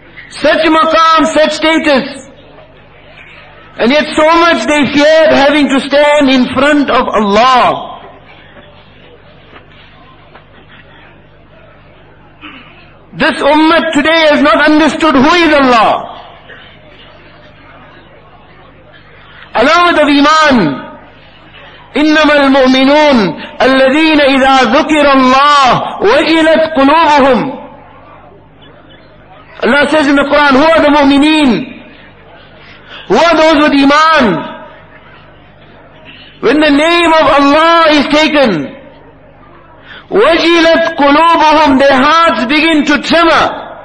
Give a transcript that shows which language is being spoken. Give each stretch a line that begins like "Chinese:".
English: Such maqam, such status. And yet so much they feared having to stand in front of Allah. This ummah today has not understood who is Allah. Along with the iman,
Arabic: إِنَّمَا الْمُؤْمِنُونَ الَّذِينَ إِذَا ذُكِرَ اللَّهُ وَجِلَتْ قُلُوبُهُمْ.
English: Allah says in the Quran, who are the mu'mineen? Who are those with iman? When the name of Allah is taken,
Arabic: وَجِلَتْ قُلُوبُهُمْ,
English: their hearts begin to tremor.